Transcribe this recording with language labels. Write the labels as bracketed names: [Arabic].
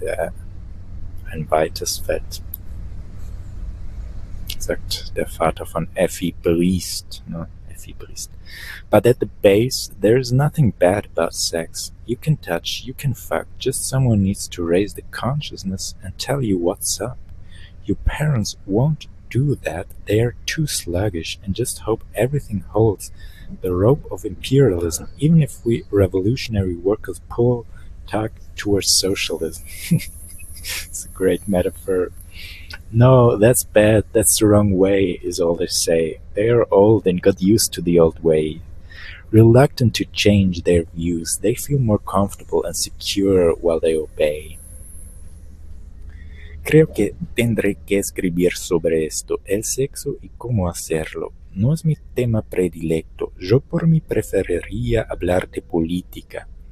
[German] Yeah, ein weites Feld, sagt der Vater von Effie Briest. [English] No, Effie Briest. But at the base, there is nothing bad about sex. You can touch, you can fuck. Just someone needs to raise the consciousness and tell you what's up. Your parents won't do that. They are too sluggish and just hope everything holds the rope of imperialism, even if we revolutionary workers pull tug towards socialism. It's a great metaphor. No, that's bad. That's the wrong way, is all they say. They are old and got used to the old way. Reluctant to change their views, they feel more comfortable and secure while they obey. [Spanish] Creo que tendré que escribir sobre esto, el sexo y cómo hacerlo. No es mi tema predilecto. Yo por mí preferiría hablar de política.